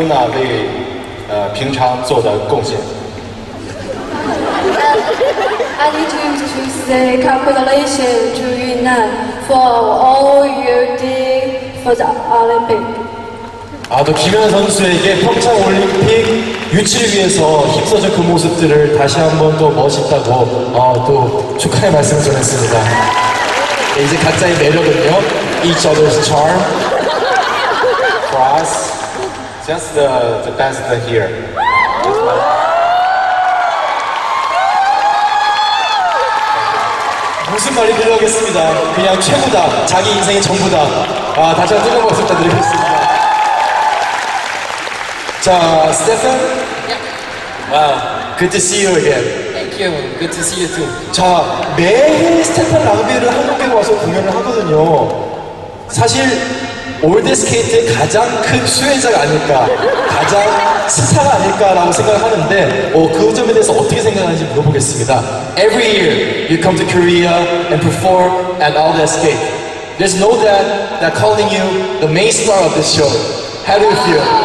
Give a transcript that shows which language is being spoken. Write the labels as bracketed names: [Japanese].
[Chinese] 还要祝贺Yuna为平常做的贡献。 [English] I need to say congratulations to Yuna for all you did for the Olympics. [Korean] 또 김연아 선수에게 평창 올림픽 유치를 위해서 힘써준 그 모습들을 다시 한번 또 멋있다고 또 축하의 말씀을 전했습니다. 이제 각자의 매력은요. [English] Each other's charm. For us, just the best here. My... [Korean] 무슨 말이 들려오겠습니다. 그냥 최고다. 자기 인생의 전부다. 다시 한번 뜨거운 박수 부탁드리겠습니다. 자, Stephen. [English] Yeah. Wow. Good to see you again. Good to see you too. [Korean] 자, 매해 스테판 라그비를 한국에 와서 공연을 하거든요. 사실 올드 스케이트의 가장 큰 수혜자가 아닐까, 가장 스타가 아닐까라고 생각을 하는데 그 점에 대해서 어떻게 생각하는지 물어보겠습니다. [English] Every year you come to Korea and perform at all the skate. There's no doubt that calling you the main star of this show. How do you feel?